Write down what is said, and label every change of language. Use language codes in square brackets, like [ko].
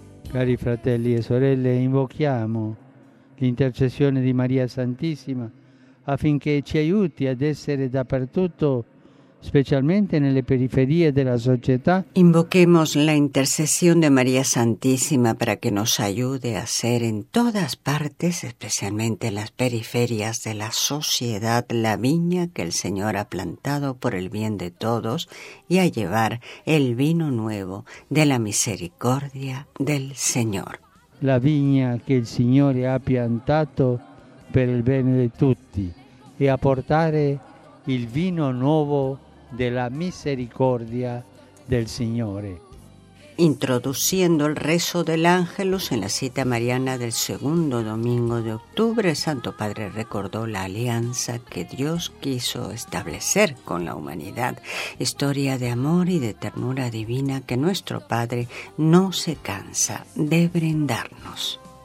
[it] Cari fratelli e sorelle, invochiamo l'intercessione di Maria Santissima affinché ci aiuti ad essere dappertutto, specialmente nelle periferie della società. [es] Invoquemos la intercesión de María Santísima para que nos ayude a ser en todas partes, especialmente en las periferias de la sociedad, la viña que el Señor ha plantado por el bien de todos y a llevar el vino nuevo de la misericordia del Señor. La viña que el Señor ha [it] piantato per il bene di tutti e a portare il vino nuovo della misericordia del Signore. [es] introduciendo el rezo del Ángelus en la cita mariana del segundo domingo de octubre, el Santo Padre recordó la alianza que Dios quiso establecer con la humanidad, historia de amor y de ternura divina que nuestro Padre no se cansa de brindarnos.